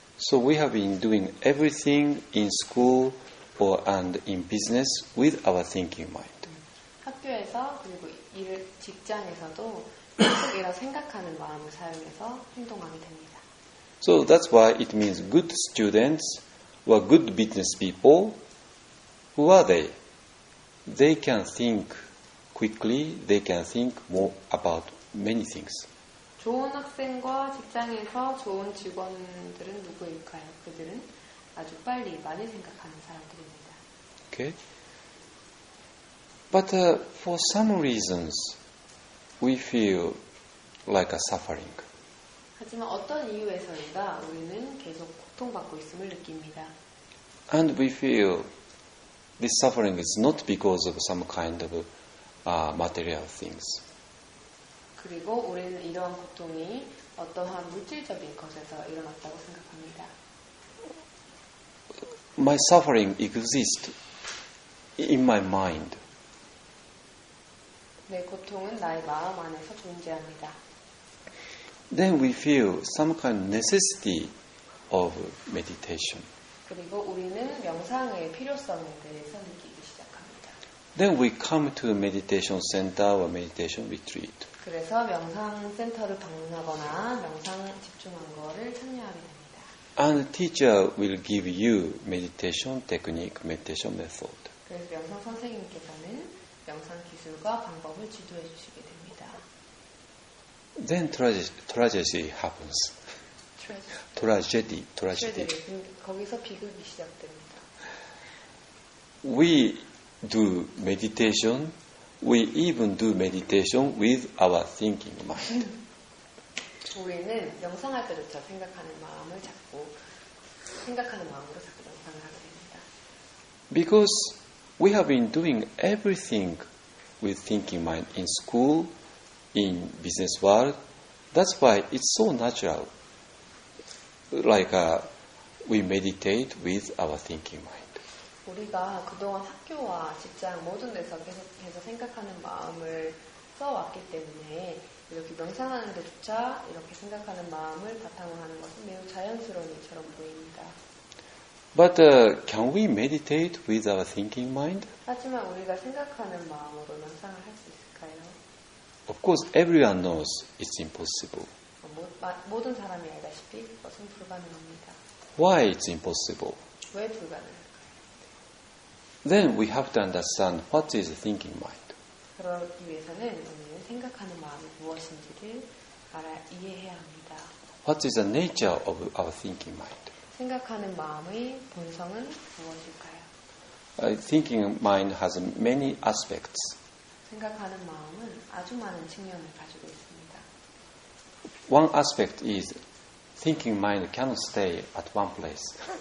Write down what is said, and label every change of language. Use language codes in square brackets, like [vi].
[en] So we have been doing everything in school or and in business with our thinking mind. [ko] 학교에서 그리고 일을 직장에서도 계속해서 생각하는 마음을 사용해서 행동하게 됩니다. [en] So that's why it means good students or good business people. Who are they? They can think quickly. They can think more about many things. [ko] 좋은 학생과 직장에서 좋은 직원들은 누구일까요? 그들은 아주 빨리 많이 생각하는 사람들입니다. [en] Okay. But for some reasons, we feel like a suffering. [ko] 하지만 어떤 이유에서인가 우리는 계속 고통받고 있음을 느낍니다. [en] And we feel this suffering is not because of some kind of material things. [ko] 그리고 우리는 이러한 고통이 어떠한 물질적인 것에서 일어났다고 생각합니다. [en] My suffering exists in my mind. [ko] 내 고통은 나의 마음 안에서 존재합니다. [en] Then we feel some kind of necessity of meditation. [ko] 그리고 우리는 명상의 필요성에 대해서 느끼기 시작합니다. [en] Then we come to a meditation center or meditation retreat. [ko] 그래서 명상 센터를 방문하거나 명상 집중한 거를 참여하게 됩니다. [en] And the teacher will give you meditation technique, meditation method. [ko] 그래서 명상 선생님께서는 명상 기술과 방법을 지도해 주시게 됩니다. [en] Then tragedy happens. Tragedy. [ko] 거기서 비극이 시작됩니다. [en] We do meditation. We even do meditation with our thinking mind. [ko] 우리는 명상할 때조차 생각하는 마음으로 자꾸 명상을 하게 됩니다. [en] Because we have been doing everything with thinking mind in school, in business world. That's why it's so natural. Like we meditate with our thinking mind. [ko] 우리가 그동안 학교와 직장 모든 데서 계속해서 생각하는 마음을 써왔기 때문에 이렇게 명상하는 데조차 이렇게 생각하는 마음을 바탕으로 하는 것은 매우 자연스러운 일처럼 보입니다. [en] But can we meditate with our thinking mind? [ko] 하지만 우리가 생각하는 마음으로 명상을 할 수 있을까요? [en] Of course, everyone knows it's impossible. [ko] 모든 사람이 알다시피 그것은 불가능합니다. [en] Why it's impossible? [ko] 왜 불가능할까요? [en] Then we have to understand what is the thinking mind. [ko] 그러기 위해서는 우리는 생각하는 마음이 무엇인지를 알아 이해해야 합니다. [en] What is the nature of our thinking mind? [ko] 생각하는 마음의 본성은 무엇일까요? [en] Thinking mind has many aspects. [ko] 생각하는 마음은 아주 많은 측면을 가지고 있습니다. [en] One aspect is thinking mind cannot stay at one place.